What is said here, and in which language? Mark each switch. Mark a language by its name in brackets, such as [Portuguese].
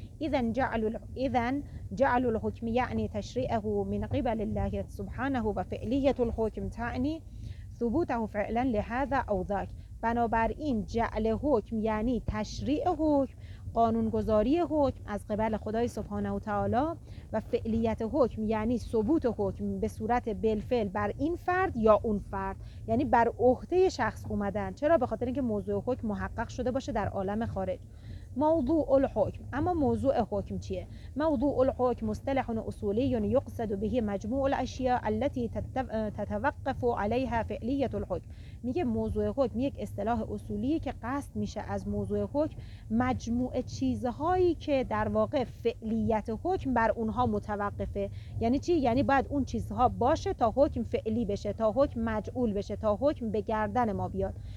[Arabic] اذا جعل الحكم يعني تشريعه من قبل الله سبحانه و فعليه الحكم تعني ثبوته فعلا لهذا او ذاك، [Persian] بنابر این جعل حکم یعنی تشریع حکم، قانون گذاری حکم از قبل خدای سبحانه و تعالی، و فعلیت حکم یعنی ثبوت حکم به صورت بالفعل بر این فرد یا اون فرد، یعنی بر عهده شخص اومدن. چرا؟ به خاطر اینکه موضوع حکم محقق شده باشه در عالم خارج. [Arabic] موضوع الحكم. أما موضوع الحكم [Persian] چيه؟ [Arabic] موضوع الحكم مصطلح أصولي يقصد به مجموع الأشياء التي تتوقف عليها فعلية الحكم. [Persian] ميگه موضوع حكم يك اصطلاح أصولي که قصد میشه از موضوع حكم مجموع چیزهایی که در واقع فعلیت حكم بر اونها متوقفه. یعنی چی؟ یعنی باید اون چیزها باشه تا حكم فعلی بشه، تا حكم مجعول بشه، تا حكم به گردن ما بیاد.